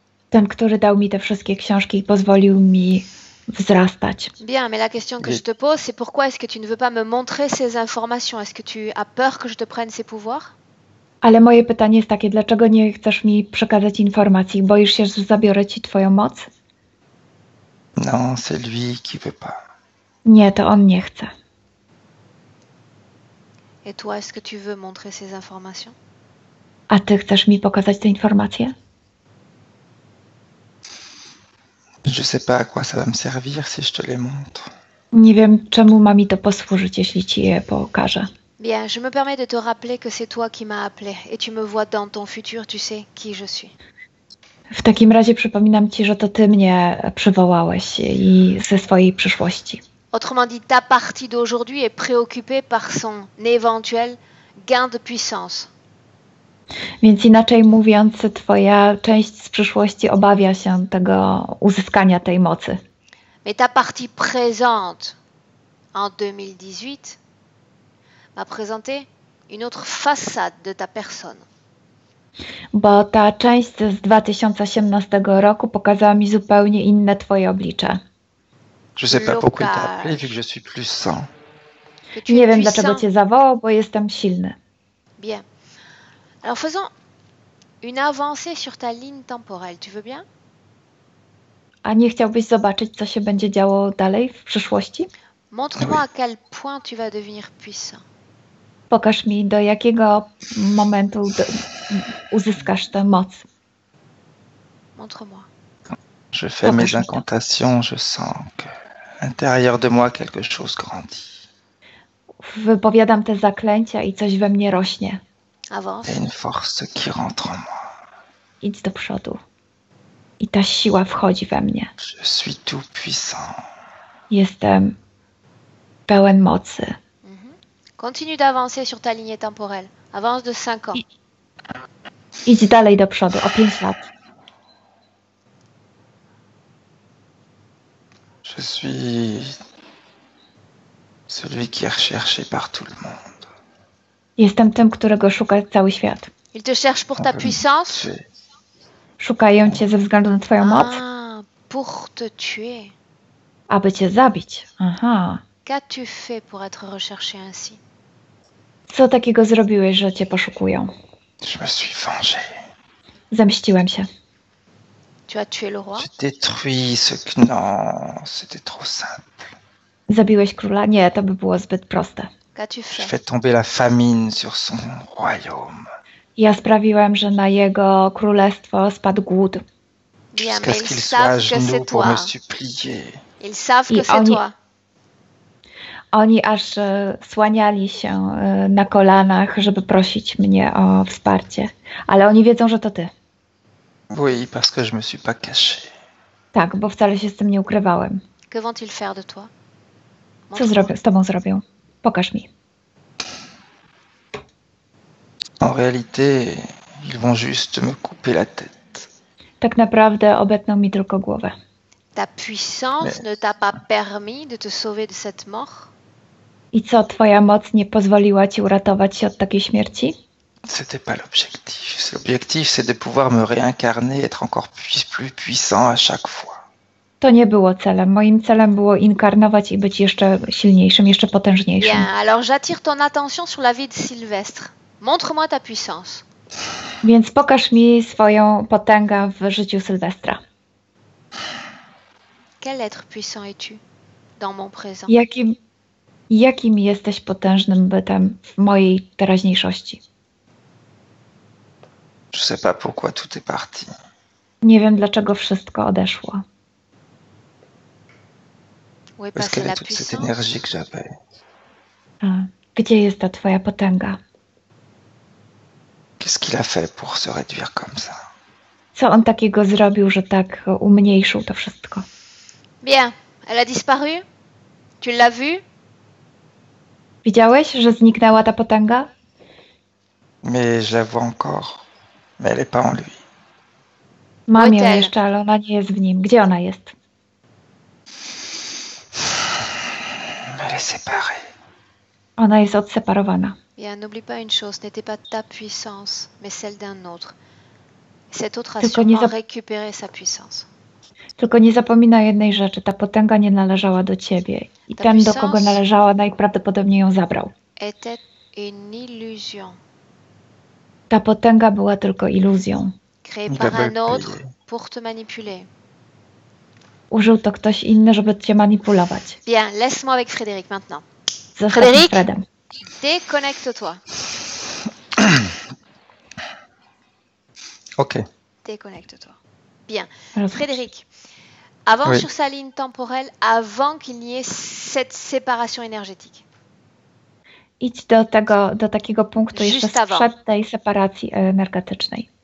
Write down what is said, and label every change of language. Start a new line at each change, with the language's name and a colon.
Polish: Ten, który dał mi te wszystkie książki i pozwolił mi wzrastać.
French: Bien, mais la question que je te pose, c'est pourquoi est-ce que tu ne veux pas me montrer ces informations? Est-ce que tu as peur que je te prenne ces pouvoirs?
Polish: Ale moje pytanie jest takie, dlaczego nie chcesz mi przekazać informacji? Boisz się, że zabiorę ci twoją moc?
French: Non, c'est lui qui veut pas.
Polish: Nie, to on nie chce.
French: Et toi, est-ce que tu veux montrer ces informations?
Polish: A ty chcesz mi pokazać te informacje?
French: Je sais pas à quoi ça va me servir si je te les montre.
Polish: Nie wiem, czemu ma mi to posłużyć, jeśli ci je pokażę.
French: Bien, je me permets de te rappeler que c'est toi qui m'as appelé et tu me vois dans ton futur, tu sais qui je suis.
Polish: W takim razie przypominam ci, że to ty mnie przywołałeś i ze swojej przyszłości.
French: Autrement dit, ta partie d'aujourd'hui est préoccupée par son éventuel gain de puissance.
Polish: Więc inaczej mówiąc, twoja część z przyszłości obawia się tego uzyskania tej mocy.
French: Mais ta partie présente en 2018 m'a présenté une autre façade de ta personne.
Polish: Bo ta część z 2018 roku pokazała mi zupełnie inne twoje oblicze.
French: Je sais pas pourquoi t'as appelé, vu que je suis plus sain.
Polish: Nie wiem, dlaczego cię zawołał, bo jestem silny.
French: Bien. Alors faisons une avancée sur ta ligne temporelle, tu veux bien?
Polish: A nie chciałbyś zobaczyć, co się będzie działo dalej w przyszłości?
French: Montre-moi à quel point tu vas devenir puissant.
Polish: Pokaż mi, do jakiego momentu uzyskasz tę moc.
French: Montre-moi. Je fais
Polish: Pokaż
French: mes incantations, je sens que l'intérieur de moi quelque chose grandit.
Polish: Wypowiadam te zaklęcia i coś we mnie rośnie.
French: Avance. C'est une force qui rentre en moi.
Polish: Idź do przodu. I ta siła wchodzi we mnie.
French: Je suis tout puissant.
Polish: Jestem pełen mocy.
French: Continue d'avancer sur ta ligne temporelle. Avance de 5 ans.
Polish: Idź dalej do przodu, o 5 lat.
French: Je suis celui qui est recherché par tout le monde.
Polish: Jestem tym, którego szuka cały świat.
French: Il te cherche pour ta puissance.
Polish: Szukają cię ze względu na twoją moc.
French: Pour te tuer.
Polish: Aby cię zabić. Aha.
French: Qu'as-tu fait pour être recherché ainsi?
Polish: Co takiego zrobiłeś, że cię poszukują?
French: Je me suis vengé.
Polish: Zemściłem się.
French: Tu as tué le roi? J'ai détruit ce que... Non, c'était trop simple.
Polish: Zabiłeś króla? Nie, to by było zbyt proste.
French: Qu'as-tu fait? Je fais tomber la famine sur son royaume.
Polish: Ja sprawiłem, że na jego królestwo spadł głód.
French: Jusqu'à ce qu'il soit à genoux pour me supplier. Ils savent que c'est toi.
Polish: Oni aż słaniali się na kolanach, żeby prosić mnie o wsparcie. Ale oni wiedzą, że to ty.
French: Oui, parce que je me suis pas caché.
Polish: Tak, bo wcale się z tym nie ukrywałem.
French: Que vont-ils faire de toi?
Polish: Co zrobią, z tobą zrobią? Pokaż mi.
French: En réalité, ils vont juste me couper la tête.
Polish: Tak naprawdę obetną mi tylko głowę.
French: Ta puissance ne t'a pas permis de te sauver de cette mort?
Polish: I co, twoja moc nie pozwoliła ci uratować się od takiej śmierci?
French: C'était pas l'objectif. L'objectif, c'est de pouvoir me réincarner, être encore plus puissant à chaque fois.
Polish: To nie było celem. Moim celem było inkarnować i być jeszcze silniejszym, jeszcze potężniejszym.
French: Bien, alors j'attire ton attention sur la vie de Sylvestre. Montre-moi ta puissance.
Polish: Więc pokaż mi swoją potęgę w życiu Sylwestra.
French: Quel être puissant es-tu dans mon présent?
Polish: Jakim jesteś potężnym bytem w mojej teraźniejszości?
French: Je sais pas pourquoi tout est parti.
Polish: Nie wiem, dlaczego wszystko odeszło.
French: Où est passée la puissance? Toute cette énergie que j'avais.
Polish: Gdzie jest ta twoja potęga?
French: Qu'est-ce qu'il a fait pour se réduire comme ça?
Polish: Co on takiego zrobił, że tak umniejszył to wszystko?
French: Bien, elle a disparu? Tu l'as vu?
Polish: Widziałeś, że zniknęła ta potęga?
French: Mais je la vois encore, mais elle est pas en lui.
Polish: Mam ją jeszcze, ale ona nie jest w nim. Gdzie ona jest?
French: Elle est séparée.
Polish: Ona jest odseparowana.
French: Bien, n'oublie pas une chose, n'était pas ta puissance, mais celle d'un autre. Cet autre a récupéré sa puissance.
Polish: Tylko nie zapominaj jednej rzeczy. Ta potęga nie należała do ciebie. I ta ten, do kogo należała, najprawdopodobniej ją zabrał.
French: Était une illusion.
Polish: Ta potęga była tylko iluzją.
French: Créé par un autre pour te manipuler.
Polish: Użył to ktoś inny, żeby cię manipulować.
French: Bien, laisse-moi avec Frédéric maintenant. Frédéric, déconnecte-toi. Ok. Déconnecte-toi. Bien. Frédéric, avance sur sa ligne temporelle avant qu'il n'y ait cette séparation énergétique.
Polish: Idź do tego, do takiego punktu
French: juste
Polish: jeszcze
French: avant.
Polish: Sprzed tej separacji energetycznej.